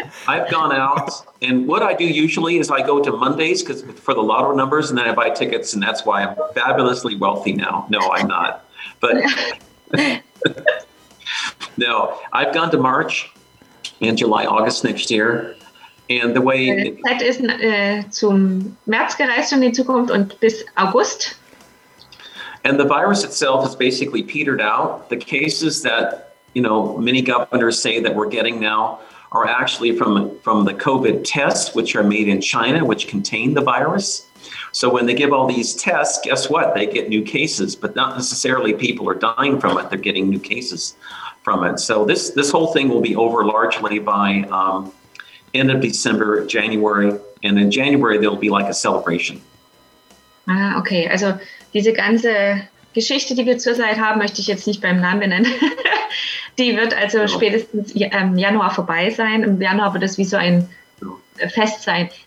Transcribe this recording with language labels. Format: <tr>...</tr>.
<en>I've gone out, and what I do usually is I go to Mondays for the lotto numbers, and then I buy tickets, and that's why I'm fabulously wealthy now. No, I'm not. But no, I've gone to March and July, August next year. And the way</en> <de>Zeit ist zum März gereist in die Zukunft und bis August.</de> <en>And the virus itself has basically petered out. The cases that, you know, many governors say that we're getting now are actually from the COVID tests, which are made in China, which contain the virus. So when they give all these tests, guess what? They get new cases, but not necessarily people are dying from it. They're getting new cases from it. So this whole thing will be over largely by end of December, January. And in January, there'll be like a celebration. Ah, okay.</en> <de>Also, diese ganze Geschichte, die wir zurzeit haben, möchte ich jetzt nicht beim Namen nennen. Die wird also spätestens Januar vorbei sein. Im Januar wird es wie so ein Fest sein.</de>